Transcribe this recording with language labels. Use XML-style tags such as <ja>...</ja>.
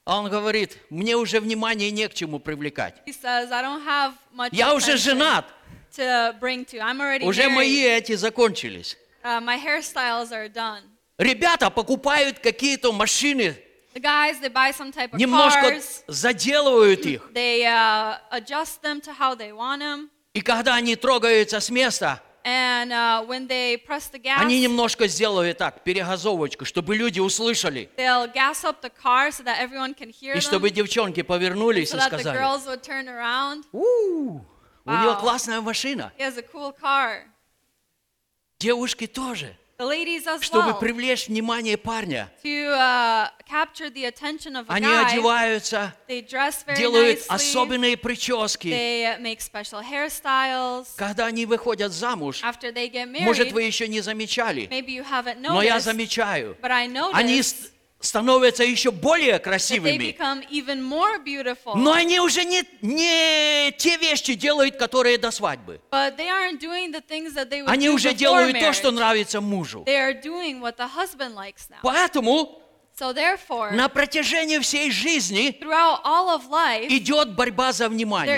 <ru>Он говорит, мне уже внимание не к чему привлекать.</ru> <en>He says, I don't have much</en> <ru>Я уже женат.</ru> <en>To bring to. I'm already</en> <ru>уже</ru> <en>married.</en> <ru>Мои эти закончились.</ru> <en>My hairstyles are done.</en> <ru>Ребята покупают какие-то машины.</ru> <en>The guys, they buy some type of</en> <ru>немножко</ru> <en>cars.</en> <ru>Заделывают их.</ru> <en>They adjust them to how they want them.</en> <ru>И когда они трогаются с места,</ru> <en>And when they press the gas,</en> <ru>они немножко сделают так, перегазовочку, чтобы люди услышали.</ru> <en>They'll gas up the car so that everyone can hear</en> <ru>И чтобы девчонки повернулись</ru> <en>so</en> <ru>и сказали,</ru> <en>that the girls would turn around.</en> <ru>Wow. У нее классная машина.</ru> <en>He has a cool car.</en> <ru>Девушки тоже.</ru> <en>The ladies as</en> <ru>чтобы</ru> <en>well.</en> <ru>Привлечь внимание парня.</ru> <en>To capture the attention of a</en> <ru>они</ru> <en>guy.</en> <ru>Одеваются,</ru> <en>they dress very</en> <ru>делают</ru> <en>nicely.</en> <ru>Особенные прически.</ru> <en>They make special hairstyles.</en> <ru>Когда они выходят замуж,</ru> <en>After they get married,</en> <ru>может, вы еще не замечали,</ru> <en>maybe you haven't noticed,</en> <ru>но я замечаю,</ru> <en>but I noticed,</en> <ru>они становятся еще более красивыми.</ru> <en>They become even more beautiful.</en> <ru>Но они уже не те вещи делают, которые до свадьбы.</ru> <en>But they aren't doing the things that they would</en> <ru>они</ru> <en>do</en> <ru>уже делают</ru> <en>marriage.</en> <ru>То, что нравится мужу.</ru> <en>They are doing what the husband likes now.</en> <ru>Поэтому</ru> <en>So therefore,</en> <ru>на протяжении всей жизни</ru> <en>throughout all of life,</en> <ru>идет борьба за внимание.</ru>